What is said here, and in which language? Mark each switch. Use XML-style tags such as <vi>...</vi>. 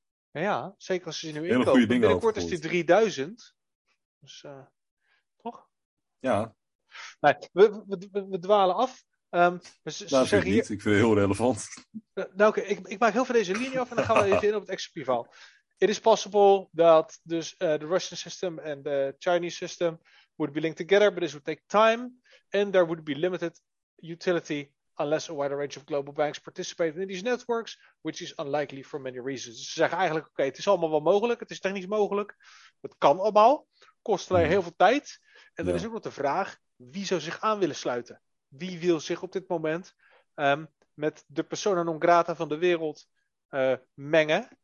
<nl>Ja, zeker als ze nu inkopen. Binnenkort is die 3000. Dus, toch? Ja. Nee, we dwalen af. Ik vind het heel relevant. Ik maak heel veel deze linie af en dan gaan we even in op het XRP-verhaal.</nl> <en>It is possible that dus the Russian system and the Chinese system would be linked together, but this would take time and there would be limited utility unless a wider range of global banks participate in these networks, which is unlikely for many reasons.</en> <nl>Dus ze zeggen eigenlijk, het is allemaal wel mogelijk, het is technisch mogelijk, het kan allemaal, kost alleen heel veel tijd. En dan is ook nog de vraag, wie zou zich aan willen sluiten? Wie wil zich op dit moment met de persona non grata van de wereld mengen?</nl>